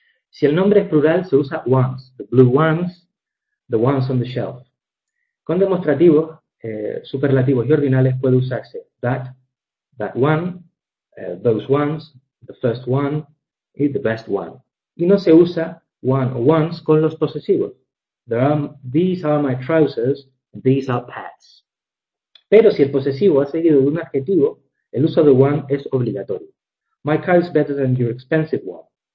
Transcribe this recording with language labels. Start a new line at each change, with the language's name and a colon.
Spanish: Si el nombre es plural, se usa ones,
English: the blue ones, the ones on the shelf.
Spanish: Con demostrativos, superlativos y ordinales puede usarse that,
English: that one, those ones, the first one,
Spanish: y
English: the best one.
Spanish: Y no se usa one o ones con los posesivos.
English: These are my trousers, and these are pads.
Spanish: Pero si el posesivo ha seguido de un adjetivo, el uso de one es obligatorio.
English: My car is better than your expensive one.